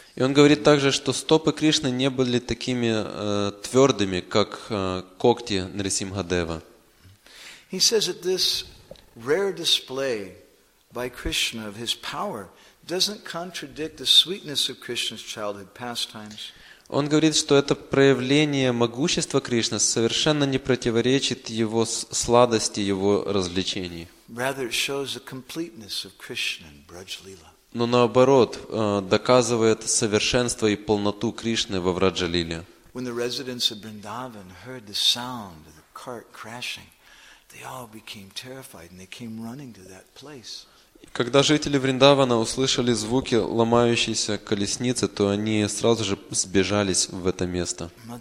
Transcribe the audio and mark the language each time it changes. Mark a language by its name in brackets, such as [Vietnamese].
[Russian] И он говорит также, что стопы Кришны не были такими твердыми, как когти Нрисимхадева. [English] He says that this rare display by Krishna of his power doesn't contradict the sweetness of Krishna's childhood pastimes. [Russian] Он говорит, что это проявление могущества Кришны совершенно не противоречит его сладости, его развлечений. [English] Rather, it shows the completeness of Krishna in Braj Lila. [Russian] Но наоборот, доказывает совершенство и полноту Кришны во Врадже Лиле. [English] When the residents of Vrindavan heard the sound of the cart crashing, they all became terrified and they came running to that place. [Russian] Когда жители Вриндавана услышали звуки ломающейся колесницы, то они сразу же сбежались в это место.